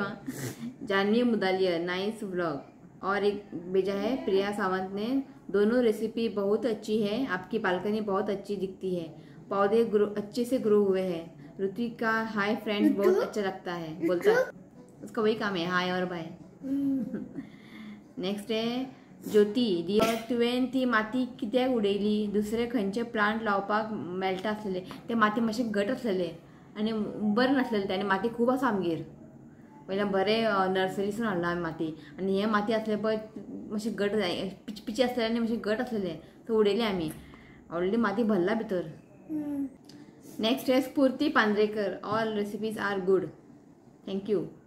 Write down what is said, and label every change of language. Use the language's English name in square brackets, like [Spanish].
[Hindi] हाँ Janvi मुदालिया nice vlog और एक भेजा है प्रिया सावंत ने दोनों रेसिपी बहुत अच्छी है आपकी बालकनी बहुत अच्छी दिखती है पौधे अच्छे से ग्रो हुए हैं ऋतु का हाय फ्रेंड्स बहुत अच्छा लगता है बोलता उसका वही काम है हाय और बाय। [Goan Konkani] नेक्स्ट है ज्योति डियर तुवें ती माती कित्याक उडयली दुसरे खंयचे प्लांट लावपाक मेळटा आसलेले ते माती मातशे घट आसलेले आनी बरें नासलेले ते आनी माती खूब आसा आमगेर पयलें बरें नर्सरीसून हाडलो हांवें माती आनी हे माती आसले पळय मातशे घट जाय पिची आसलेले आनी मातशे घट आसलेले सो उडयली आमी व्हडली माती भरला भितर। [Hindi] नेक्स्ट है [English] Sphurti Pandrekar all recipes are good thank you